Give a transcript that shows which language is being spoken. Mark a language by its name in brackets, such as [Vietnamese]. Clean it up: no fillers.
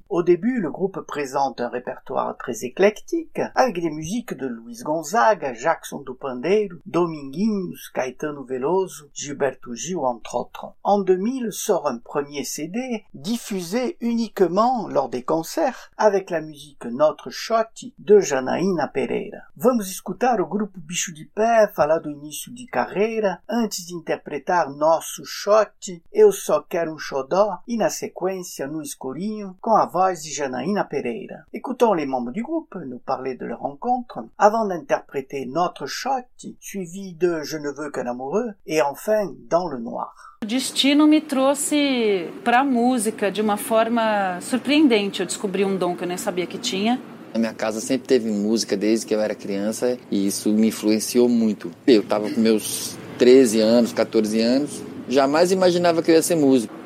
[French] Au début, le groupe présente un répertoire très éclectique avec des musiques de Luiz Gonzaga, Jackson do Pandeiro, Dominguinhos, Caetano Veloso, Gilberto Gil, entre autres. En 2000 sort un premier CD diffusé uniquement lors des concerts avec la musique Notre Xote de Janaína Pereira. [Portuguese] Vamos escutar o grupo Bicho de Pé falar do início de carreira antes de interpretar Nosso Xote, Eu Só Quero um Xodó e na sequência No Escurinho com a voz de Janaína Pereira. [French] Écoutons les membres du groupe nous parler de leur rencontre avant d'interpréter Notre Xote suivi de Je ne veux qu'un amoureux et enfin dans le noir. [Portuguese] O destino me trouxe para a música de uma forma surpreendente. Eu descobri um dom que eu nem sabia que tinha. Na minha casa sempre teve música desde que eu era criança e isso me influenciou muito. Eu estava com meus 13 anos, 14 anos, jamais imaginava que eu ia ser músico.